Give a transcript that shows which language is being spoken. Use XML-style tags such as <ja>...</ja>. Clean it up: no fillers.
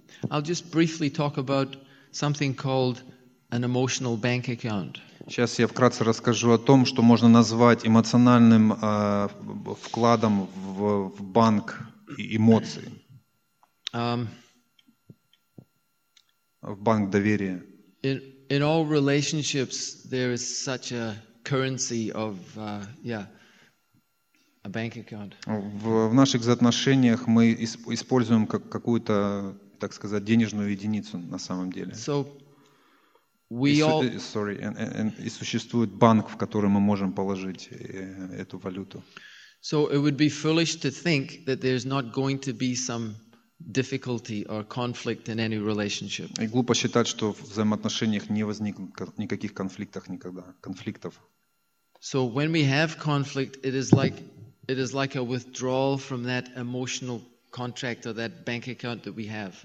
<en>I'll just briefly talk about something called an emotional bank account.</en> <ru>Сейчас я вкратце расскажу о том, что можно назвать эмоциональным вкладом в банк эмоций. В банк доверия.</ru> <en>In all relationships there is such a currency of a bank account.</en> <ru>В наших взаимоотношениях мы используем как какую-то, так сказать, денежную единицу на самом деле.</ru> <en>So we all</en> <ru>и существует банк, в который мы можем положить эту валюту.</ru> <en>So it would be foolish to think that there's not going to be some difficulty or conflict in any relationship.</en> <ru>И глупо считать, что в взаимоотношениях не возникнет никаких конфликтов никогда, конфликтов.</ru> <en>So when we have conflict, it is like a withdrawal from that emotional contract or that bank account that we have.</en>